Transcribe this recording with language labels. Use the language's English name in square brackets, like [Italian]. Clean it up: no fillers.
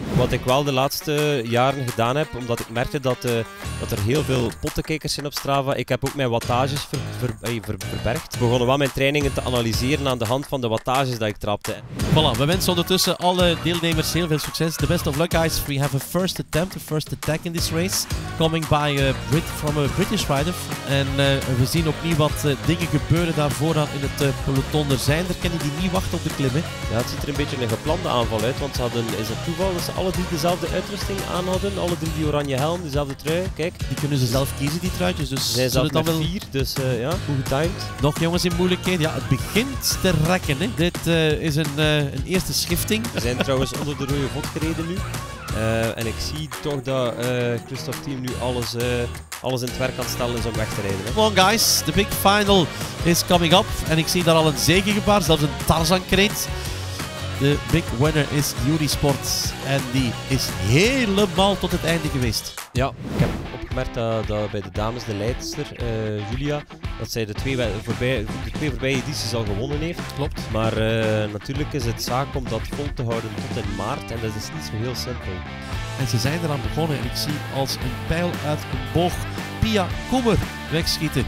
[Dutch] Wat ik wel de laatste jaren gedaan heb, omdat ik merkte dat er heel veel pottenkijkers zijn op Strava. Ik heb ook mijn wattages verbergd. Ik begon wel mijn trainingen te analyseren aan de hand van de wattages dat ik trapte. Voilà, we wensen ondertussen alle deelnemers heel veel succes. [English] The best of luck, guys. We have a first attempt, a first attack in this race. Coming by a Brit, from a British rider. [Dutch] En we zien opnieuw wat dingen gebeuren daar vooraan in het peloton. Er zijn er, kennen die niet wachten op de klim, hè? Ja, het ziet er een beetje een geplande aanval uit. Want ze hadden, is het toeval dat ze alle drie dezelfde uitrusting aan hadden? Alle drie die oranje helm, dezelfde trui. Kijk. Die kunnen ze zelf kiezen, die truitjes. Dus zij zijn zelf dan met vier, dus goed getimed. Nog jongens in moeilijkheden. Ja, het begint te rekken, hè. Dit is een eerste schifting. We zijn trouwens onder de rode vod gereden nu. En ik zie toch dat Christophe Thiem nu alles in het werk aan het stellen is om weg te rijden. [English] Come on, guys. The big final is coming up. [Dutch] En ik zie daar al een zegengebaar, zelfs een Tarzan-kreet. De [English] big winner [Dutch] is Yuri Sports. En die is helemaal tot het einde geweest. Ja, ik heb opgemerkt dat bij de dames, de leidster, Julia, dat zij de twee voorbije edities al gewonnen heeft. Klopt. Maar natuurlijk is het zaak om dat vol te houden tot in maart. En dat is niet zo heel simpel. En ze zijn eraan begonnen. En ik zie als een pijl uit een boog Pia Koemer wegschieten.